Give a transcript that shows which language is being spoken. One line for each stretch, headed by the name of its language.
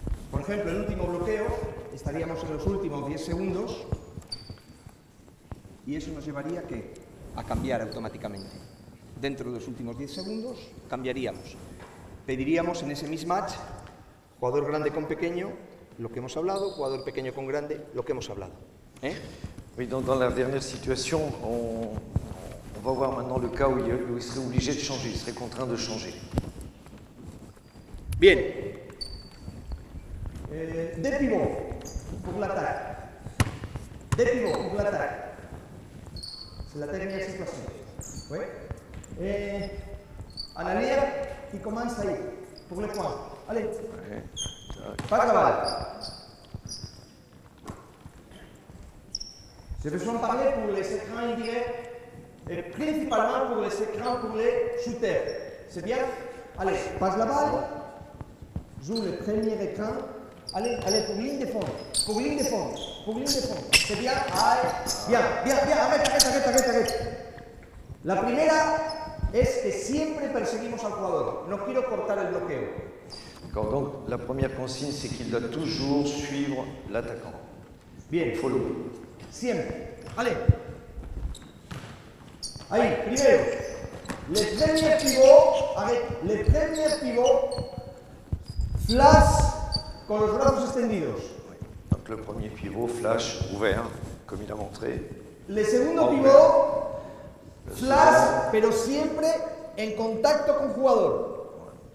Spanish: Por ejemplo, el último bloqueo, estaríamos en los últimos 10 segundos y eso nos llevaría ¿qué? A cambiar automáticamente. Dentro de los últimos 10 segundos cambiaríamos. Pediríamos en ese mismatch, jugador grande con pequeño, lo que hemos hablado, jugador pequeño con grande, lo que hemos hablado. ¿Eh?
French: Oui, dans la dernière situation, on va voir maintenant le cas où il serait obligé de changer, il serait contraint de changer. Bien. De pivot pour l'attaque. De pivot pour l'attaque. C'est la dernière situation. Oui. À la ligne, qui commence à y pour les points. Allez. Pas de balle. J'ai besoin de parler pour les écrans indirects et principalement pour les écrans pour les shooters. C'est bien? Allez, passe la balle. Joue le premier écran. Allez, allez, pour ligne de fond, pour ligne de fond, pour ligne de fond. C'est bien, allez, bien, bien, bien, arrête, arrête, arrête, arrête, arrête.
Spanish: La primera es que siempre perseguimos al jugador. No quiero cortar el bloqueo.
French: D'accord, donc la première consigne, c'est qu'il doit toujours suivre l'attaquant. Bien.
English: Follow.
Spanish: Siempre.
French: Allez.
Spanish: Ahí, primero.
French: Le premier pivot, arrête, le premier pivot, flash.
Spanish: Con los brazos extendidos.
French: Donc le premier pivot flash ouvert, comme il a montré.
Spanish: Le segundo pivot Flash, pero siempre en contacto con jugador.